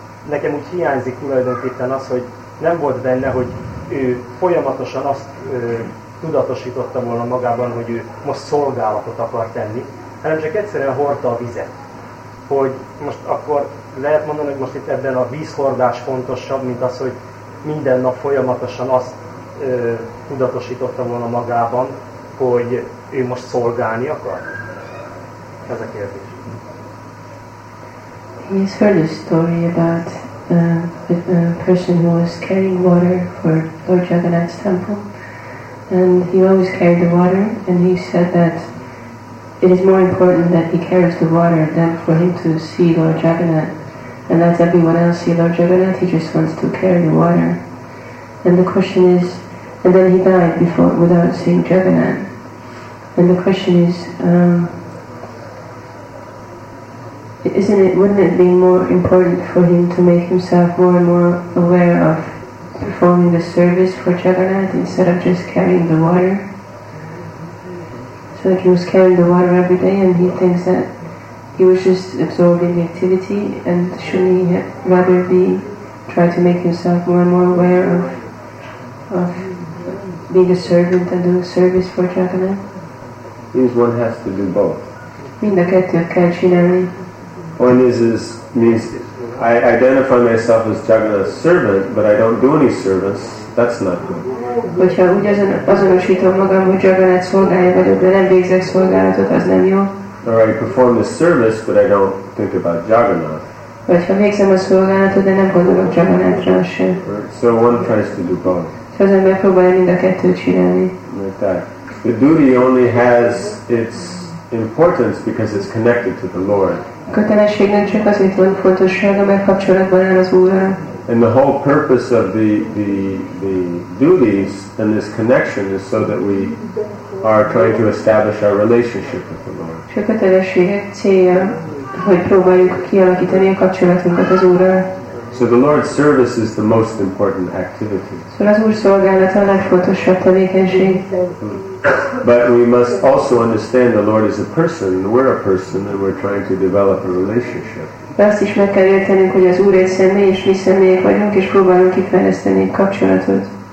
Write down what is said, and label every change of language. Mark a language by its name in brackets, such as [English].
[Hungarian] Nekem úgy hiányzik tulajdonképpen az, hogy nem volt benne, hogy ő folyamatosan azt tudatosította volna magában, hogy ő most szolgálatot akar tenni, hanem csak egyszerűen hordta a vizet. Hogy most akkor lehet mondani, hogy most itt ebben a vízhordás fontosabb, mint az, hogy minden nap folyamatosan azt tudatosította volna magában, hogy ő most szolgálni akar? Ez a kérdés. [English] He has heard a story about a person who was carrying water for Lord Jagannath's temple, and he always carried the water, and he said that it is more important that he carries the water than for him to see Lord Jagannath, and that everyone else see Lord Jagannath, he just wants to carry the water. And the question is, and then he died before without seeing Jagannath. And the question is, wouldn't it be more important for him to make himself more and more aware of performing the service for Jagannath instead of just carrying the water? So that he was carrying the water every day and he thinks that he was just absorbing the activity, and shouldn't he rather be trying to make himself more and more aware of being a servant and doing service for Jagannath? Means one has to do both. [Hungarian] Mind a kettő kell csinálni. [English] Point means I identify myself as Jagannath's servant, but I don't do any service. That's not good. [Hungarian] Hogyha úgy azonosítom magam, hogy Jagannath szolgálja vagyok, de nem végzek szolgálatot, az nem jó. [English] Or I perform the service, but I don't think about Jagannath. [Hungarian] Vagy ha végzem a szolgálatot, de nem gondolok Jagannathra sem. [English] So one tries to do both. [Hungarian] Szóval az ember próbálja mind a kettőt csinálni. [English] Like that. The duty only has its importance because it's connected to the Lord. [Hungarian] Kötelesség nem csak azért van fontossága, mert kapcsolatban áll az Úrral. [English] And the whole purpose of the duties and this connection is so that we are trying to establish our relationship with the Lord. [Hungarian] És a kötelesség célja, hogy próbáljuk kialakítani a kapcsolatunkat az Úrral. [English] So the Lord's service is the most important activity. [Hungarian] Szóval az Úr szolgálata a legfontosabb tevékenység. [English] But we must also understand the Lord is a person, and we're a person, and we're trying to develop a relationship. [Hungarian] Azt is meg kell értenünk, hogy az Úr egy személy, és mi személyek vagyunk, és próbálunk kifejleszteni a kapcsolatot.